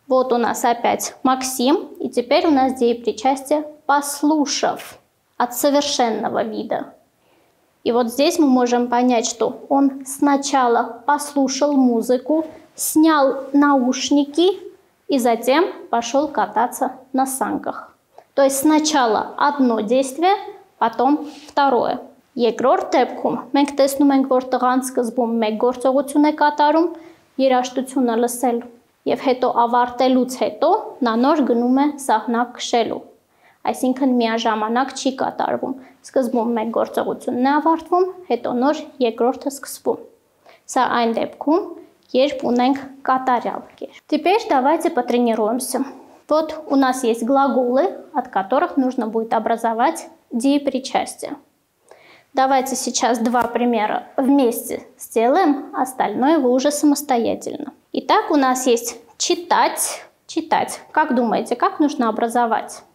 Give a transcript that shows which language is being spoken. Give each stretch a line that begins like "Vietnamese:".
Russian: Вот у нас опять Максим, и теперь у нас деепричастие «послушав» от совершенного вида. И вот здесь мы можем понять, что он сначала послушал музыку, снял наушники и затем пошел кататься на санках. То есть сначала одно действие, потом второе.
Armenian: Երկրորդ դեպքում մենք տեսնում ենք, որ տղան սկզբում մեկ գործողություն է կատարում՝ երաժշտությունը լսել, եւ հետո ավարտելուց հետո նա նոր գնում է սահնակ քշելու։ Այսինքն միաժամանակ չի կատարվում։ Սկզբում մեկ գործողությունն է ավարտվում, հետո նոր երկրորդը սկսվում։ Սա այն դեպքում, երբ ունենք կատարյալ կերպ։
Russian: Теперь давайте потренируемся. Вот у нас есть глаголы, от которых нужно будет образовать деепричастие. Давайте сейчас два примера вместе сделаем, остальное вы уже самостоятельно. Итак, у нас есть читать. Читать. Как думаете, как нужно образовать?